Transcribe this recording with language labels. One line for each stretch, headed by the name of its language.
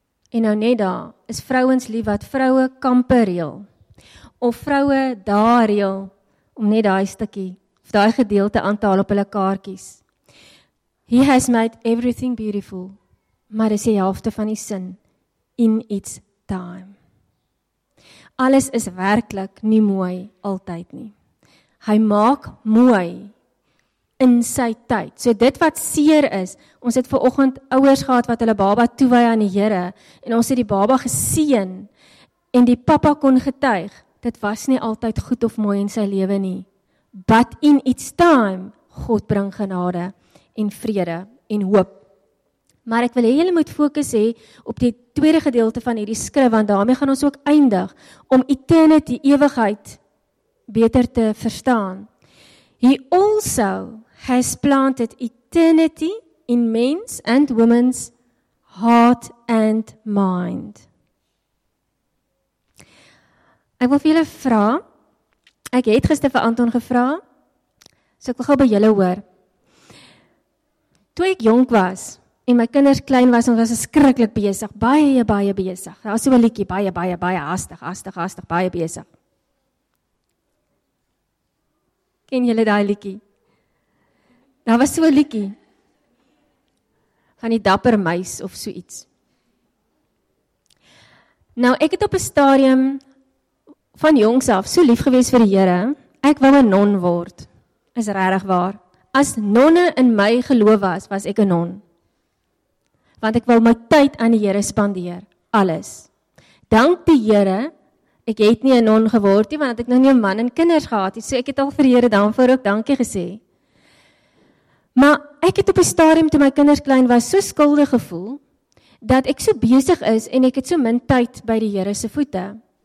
Afrikaans: En nou net daar is vrouens lief wat vroue kampe reël. Of vroue daar reël om net daai stukkie of daai gedeelte aan te haal op hulle kaartjies.
English: He has made everything beautiful.
Afrikaans: Maar dis die helfte van die sin.
English: In its time.
Afrikaans: Alles is werklik nie mooi altyd nie. Hy maak mooi in sy tyd. So dit wat seer is, ons het vanoggend ouers gehad wat hulle baba toewy aan die Here en ons het die baba geseën en die pappa kon getuig, dit was nie altyd goed of mooi in sy lewe nie.
English: But in its time, God bring
Afrikaans: genade en vrede en hoop. Maar ek wil hê julle moet fokus hê op die tweede gedeelte van hierdie skrif, want daarmee gaan ons ook eindig om eternity, ewigheid, beter te verstaan.
English: He also has planted eternity in men's and women's heart and mind.
Afrikaans: Ek wil vir julle vra, ek het gister vir Anton gevra, so ek wil gou by julle hoor. Toe ek jonk was, en my kinders klein was, ons was skrikkelijk besig, baie besig. Daar was so 'n liedjie, baie hastig, baie besig. Ken julle daai liedjie? Daar was so 'n liedjie van die dapper meis of so iets. Nou, ek het op 'n stadium van jongs af so lief gewees vir die Here. Ek wou 'n non word. Is regtig waar. As nonne in my geloof was, was ek 'n non. Want ek wil my tyd aan die Here spandeer. Alles. Dank die Here, ek het nie 'n non geword nie, want ek nog nie 'n man en kinders gehad het, so ek het al vir die Here daarvoor ook dankie gesê. Maar ek het op die stadium toe my kinders klein was, so skuldig gevoel, dat ek so besig is en ek het so min tyd by die Here se voete.